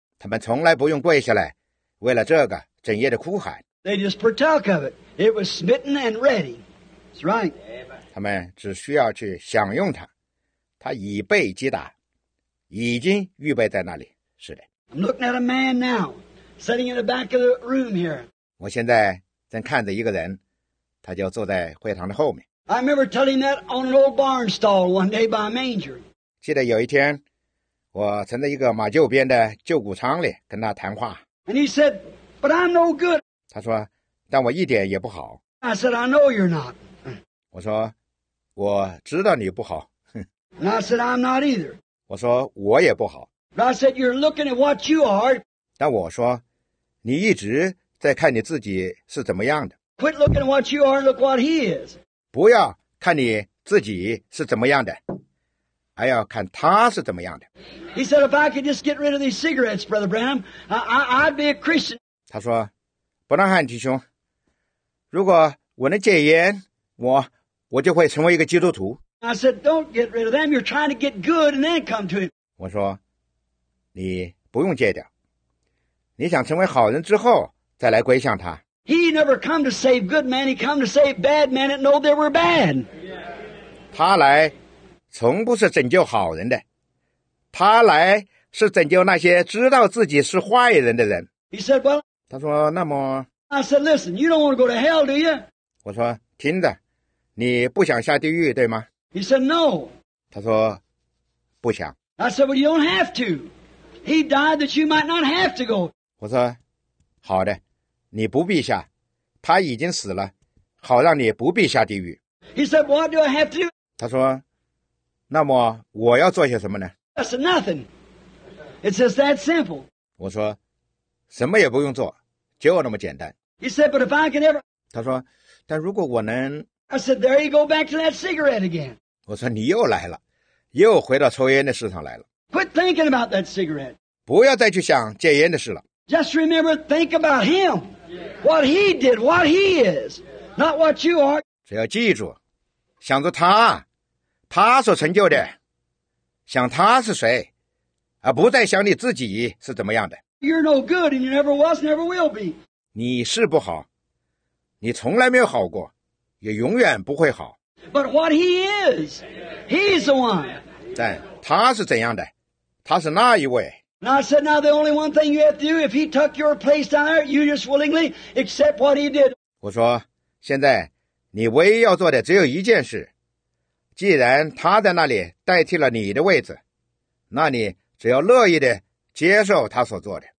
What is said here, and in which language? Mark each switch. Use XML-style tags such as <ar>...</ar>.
<zh>他们从来不用跪下来，为了这个整夜的哭喊。</zh> <en>They just partook of it. It was smitten and ready. That's right.</en> <zh>他们只需要去享用它。他已被击打，已经预备在那里。是的。</zh> <en>I'm looking at a man now, sitting in the back of the room here.</en> <zh>我现在正看着一个人，他就坐在会堂的后面。</zh> <en>I remember telling that on an old barn stall one day by a manger.</en> <zh>记得有一天，我曾在一个马厩边的旧谷仓里跟他谈话。</zh> <en>And he said, "But I'm no good."</en> <zh>他说，但我一点也不好。</zh> <en>I said, "I know you're not."</en> <zh>我说，我知道你不好。</zh> <en>And I said, I'm not either.</en> <zh>我说我也不好。</zh> <en>But I said, you're looking at what you are.</en> <zh>但我说，你一直在看你自己是怎么样的。</zh> <en>Quit looking at what you are, look what he is.</en> <zh>不要看你自己是怎么样的，还要看他是怎么样的。</zh> <en>He said, if I could just get rid of these cigarettes, Brother Branham, I'd be a Christian.</en> <zh>他说，伯南汉弟兄，如果我能戒烟，我就会成为一个基督徒。</zh> <en>I said, don't get rid of them. You're trying to get good and then come to him.</en> <zh>我说，你不用戒掉。你想成为好人之后再来归向他。</zh> <en>He never come to save good men. He come to save bad men that know they were bad.</en> <zh>他来从不是拯救好人的。他来是拯救那些知道自己是坏人的人。</zh> <en>He said, well,</en> <zh>他说，那么。</zh> <en>I said, listen, you don't want to go to hell, do you?</en> <zh>我说，听着，你不想下地狱，对吗？</zh> <en>He said, no.</en> <zh>他说，不想。</zh> <en>I said, well, you don't have to. He died that you might not have to go.</en> <zh>我说，好的，你不必下。他已经死了，好让你不必下地狱。</zh> <en>He said, what do I have to do?</en> <zh>他说，那么我要做些什么呢？</zh> <en>I said, nothing. It's just that simple.</en> <zh>我说，什么也不用做，就那么简单。</zh> <en>He said, but if I can ever...</en> <zh>他说，但如果我能...</zh> <en>I said, there you go back to that cigarette again.</en> <zh>我说你又来了，又回到抽烟的市场来了。</zh> <en>Quit thinking about that cigarette.</en> <zh>不要再去想戒烟的事了。</zh> <en>Just remember, think about him. What he did, what he is, not what you are.</en> <zh>只要记住，想着他，他所成就的，想他是谁，而不再想你自己是怎么样的。</zh> <en>You're no good and you never was, never will be.</en> <zh>你是不好，你从来没有好过。也永远不会好。</zh> <en>But what he is, he's the one.</en> <zh>但他是怎样的？他是那一位。</zh> <en>And I said, now the only one thing you have to do, if he took your place down there, you just willingly accept what he did.</en> <zh>我说，现在你唯一要做的只有一件事，既然他在那里代替了你的位置，那你只要乐意的接受他所做的。</zh>